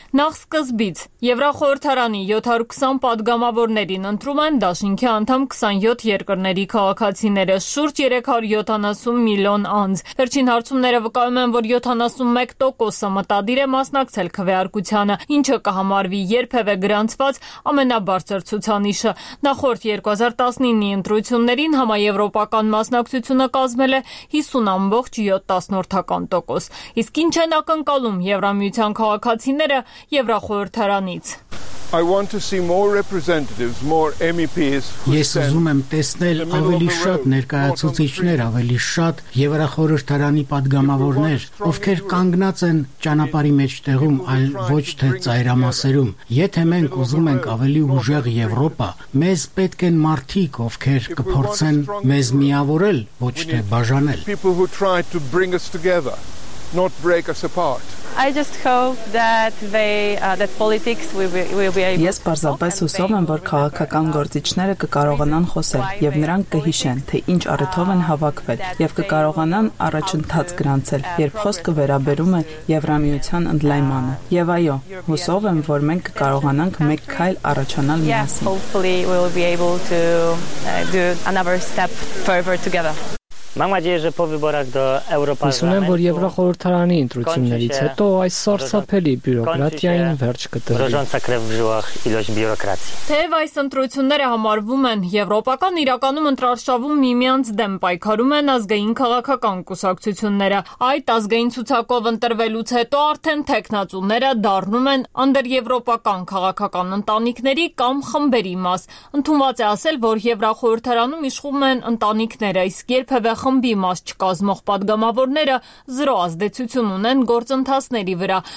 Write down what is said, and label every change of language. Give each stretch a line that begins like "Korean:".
Armenian: Նախ սկզբից Եվրախորհրդարանի 720 պատգամավորներին ընտրում են Դաշինքի անդամ 27 երկրների քաղաքացիները, շուրջ 370 միլիոն անձ։ Վերջին հարցումները վկայում են, որ 71%-ը մտադիր է մասնակցել քվեարկությանը, ինչը կհամարվի երբևէ գրանցված ամենաբարձր ցուցանիշը։ Նախորդ 2019-ի ընտրություններին համաեվրոպական մասնակցությունը կազմել է 50.7%։ Իսկ ինչ են ակնկալում Եվրամիության քաղաքացիները Եվրախորհրդարանից։
English: I want to see more representatives, more MEPs.
Armenian: Ես ուզում եմ տեսնել ավելի շատ ներկայացուցիչներ, ավելի շատ Եվրախորհրդարանի պատգամավորներ, ովքեր կանգնած են ճանապարհի մեջտեղում, այլ ոչ թե ծայրամասերում։ Եթե մենք ուզում ենք ավելի ուժեղ Եվրոպա, մեզ պետք են մարդիկ, ովքեր կփորձեն մեզ միավորել, ոչ թե բաժանել։
English: Not break us apart. I just hope that that politics will be able.
Armenian: Ես պարզապես հուսով եմ, որ քաղաքական գործիչները կկարողանան խոսել եւ նրանք կհիշեն, թե ինչ առիթով են հավաքվել եւ կկարողանան առաջընթաց գրանցել, երբ խոսքը վերաբերում է Եվրամիության ընդլայմանը։ Եվ այո, հուսով եմ, որ մենք կկարողանանք մեկ քայլ առաջանալ միասին։
English: Yes, hopefully we will be able to do another step further together.
Armenian: Հուսում եմ, որ Եվրախորհրդարանի ընտրություններից հետո այս սարսափելի բյուրոկրատիային վերջ կտրվի։ Թեև այս ընտրությունները համարվում են եվրոպական իրականում ընտրարշավում միմյանց դեմ պայքարում են ազգային քաղաքական կուսակցությունները, այդ ազգային ցուցակով ընտրվելուց հետո արդեն թեկնածուները դառնում են անդրեվրոպական քաղաքական ընտանիքների կամ խմբերի մաս։ Ընդունված է ասել, որ Եվրախորհրդարանում իշխում են ընտանիքները, իսկ երբևէ խմբի մաս չկազմող պատգամավորները զրո ազդեցություն ունեն գործընթացների վրա։